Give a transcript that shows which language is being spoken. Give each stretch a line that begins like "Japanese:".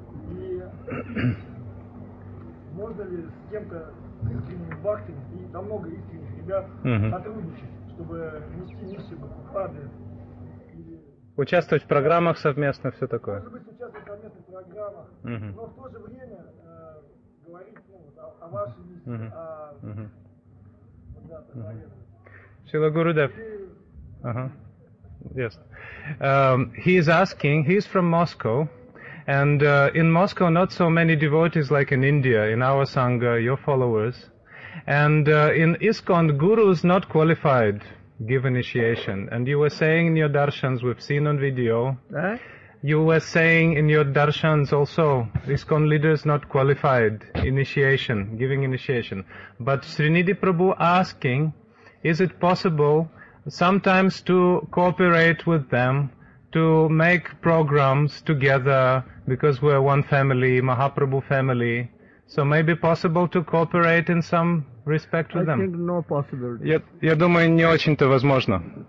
Russian: И можно ли с кем-то искренним бхактом, и там много искренних ребят, сотрудничать, чтобы нести миссию Бхупады? Участвовать в программах совместно, все такое. Может быть, участвовать в совместных программах, но в то же время говорить, ну, о вашей миссии, Шрила Гурудев.
English: Yes. He is asking, he is from Moscow, and in Moscow not so many devotees like in India, in our Sangha, your followers. And in ISKCON, Guru is not qualified give initiation. And you were saying in your darshans, we've seen on video, you were saying in your darshans also, ISKCON leader is not qualified initiation, giving initiation. But Srinidhi Prabhu asking, is it possible sometimes to cooperate with them, to make programs together, because we're one family, Mahaprabhu family, So maybe possible to cooperate in some respect with I them? I think no possibility.
Russian: Я думаю, не очень-то возможно.